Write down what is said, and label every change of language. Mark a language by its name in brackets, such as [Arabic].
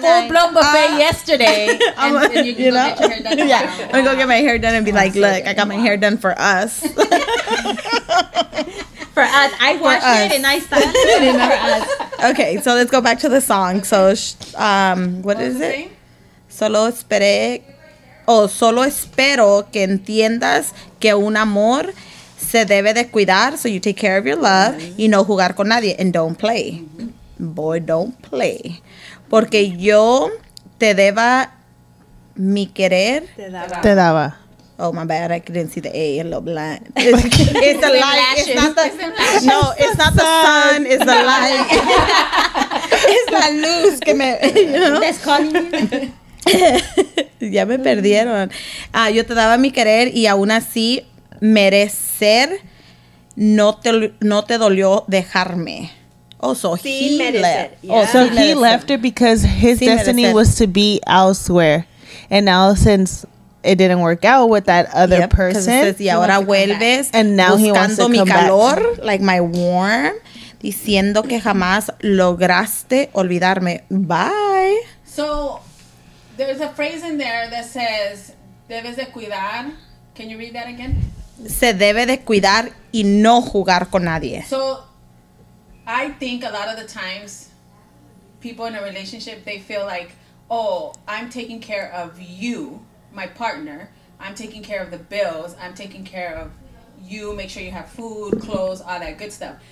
[English] Full blown buffet yesterday. I'm going to go get my hair done and be like, look, I got my hair done for us. For us. Okay, so let's go back to the song. So, what is it? [Spanish] Solo espero que entiendas que un amor se debe de cuidar. [English] So you take care of your love, mm-hmm. [Spanish] y no jugar con nadie, [English] and don't play. Mm-hmm. Boy, don't play. [Spanish] Porque yo te deba mi querer. Te daba. [English] Oh, my bad. I didn't see the A. A little blind. It's the light. Lashes. It's not the sun. It's the light. It's [Spanish] la luz. Que me, [English] you know? That's calling [Spanish] you. Ya me perdieron. Yo te daba mi querer y aún así merecer no te dolió dejarme. [English] Oh, so he left her because his destiny was to be elsewhere. And now since it didn't work out with that other person. [Spanish] Says, y ahora vuelves, [English] and now he wants to come [Spanish] calor, [English] back. Like my warm, [Spanish] diciendo que jamás lograste olvidarme. [English] Bye. So there's a phrase in there that says, [Spanish] debes de cuidar. [English] Can you read that again? [Spanish] se debe de cuidar y no jugar con nadie. [English] So, I think a lot of the times, people in a relationship, they feel like, oh, I'm taking care of you, my partner. I'm taking care of the bills. I'm taking care of you, make sure you have food, clothes, all that good stuff.